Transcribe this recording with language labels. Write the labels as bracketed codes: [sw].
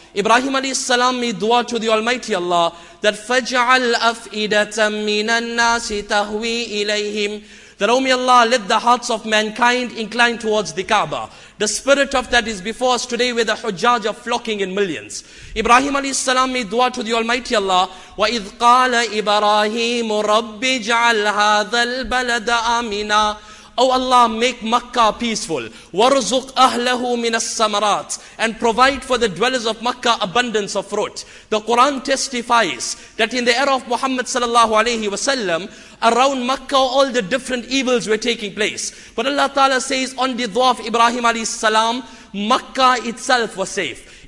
[en] Ibrahim alayhi salam made du'a to the Almighty Allah that [ar] فَجْعَلْ أَفْئِدَةً مِنَ النَّاسِ تَهْوِي إِلَيْهِمْ [en] That, O my Allah, let the hearts of mankind incline towards the Kaaba. The spirit of that is before us today where the Hujjaj are flocking in millions. Ibrahim alayhi salam made dua to the Almighty Allah. [ar] وَإِذْ قَالَ إِبْرَاهِيمُ رَبِّ جَعَلْ هَذَا الْبَلَدَ آمِنًا [en] O Allah, make Makkah peaceful. [ar] وَرْزُقْ أَهْلَهُ مِنَ السَّمَرَاتِ [en] And provide for the dwellers of Makkah abundance of fruit. The Quran testifies that in the era of Muhammad sallallahu alayhi wa sallam, around Makkah, all the different evils were taking place. But Allah Ta'ala says, on the dua of Ibrahim alayhi salam, Makkah itself was safe.